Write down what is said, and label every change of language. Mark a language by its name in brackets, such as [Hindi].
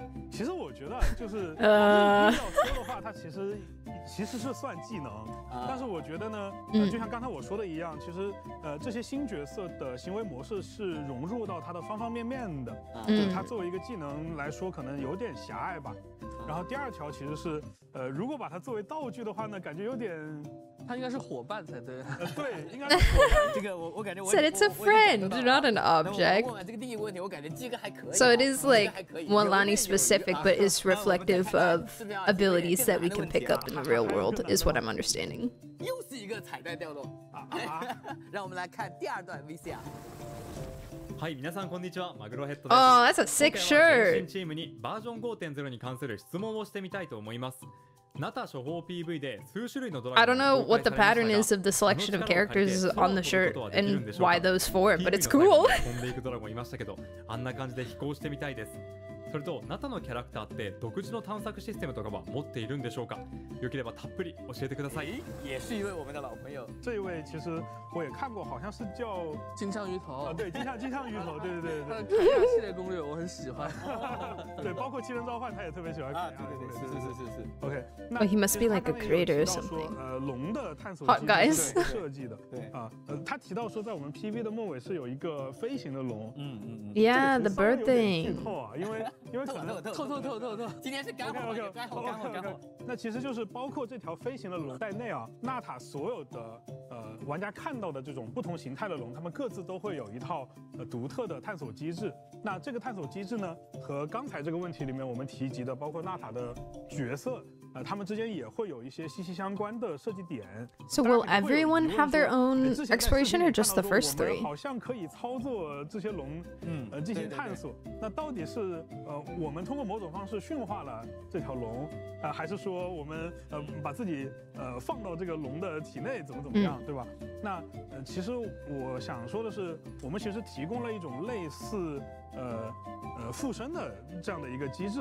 [Chinese] 其实我觉得就是要说的话，它其实是算技能，但是我觉得呢，就像刚才我说的一样，其实这些新角色的行为模式是融入到它的方方面面的，就它作为一个技能来说，可能有点狭隘吧。然后第二条其实是如果把它作为道具的话呢，感觉有点。他应该是伙伴才对。对，应该是伙伴。这个我感觉我 [English] said it's a friend, not an object. [Chinese] 这个第一个问题，我感觉这个还可以。 [English] So it is like Molani specific, but is reflective of abilities that we can pick up in the real world, is what I'm understanding. [Chinese] 又是一个彩蛋调动。让我们来看第二段 VCR。 [Japanese] はい、皆さんこんにちは、マグロヘッドです。 [English] Oh, that's a sick shirt. [Japanese] 今回は全身チームにバージョン 5.0 に関する質問をしてみたいと思います。ナタ初報 PV で数種類のドラゴンが [English] I don't know what the pattern is of the selection of characters on the shirt and why those four, but it's cool. [Japanese] 飛んでいくドラゴンいましたけど、あんな感じで飛行してみたいです。それとナタのキャラクターって独自の探索システムとかは持っているんでしょうか？よければたっぷり教えてください。 [Chinese] 也是一位我们的老朋友。这一位其实我也看过，好像是叫金枪鱼头。对，金枪鱼头，对对对对。卡亚系列攻略我很喜欢。对，包括七人召唤他也特别喜欢。啊，对对对，是。 [English] OK， [Chinese] 那 [English] he must be like a creator or something。 [Chinese] 龙的探索机是设计的。对啊，他提到说在我们 PV 的末尾是有一个飞行的龙。 [English] Yeah, the bird thing。 [Chinese] 因为可能透，今天是干货，干货。那其实就是包括这条飞行的龙在内啊，纳塔所有的玩家看到的这种不同形态的龙，他们各自都会有一套独特的探索机制。那这个探索机制呢，和刚才这个问题里面我们提及的，包括纳塔的角色他们之间也会有一些息息相关的设计点。 [English] So will everyone have their own exploration or just the first three? [Chinese] 好像可以操作这些龙进行探索，那到底是我们通过某种方式驯化了这条龙，还是说我们把自己放到这个龙的体内怎么怎么样，对吧？那其实我想说的是，我们其实提供了一种类似附身的这样的一个机制。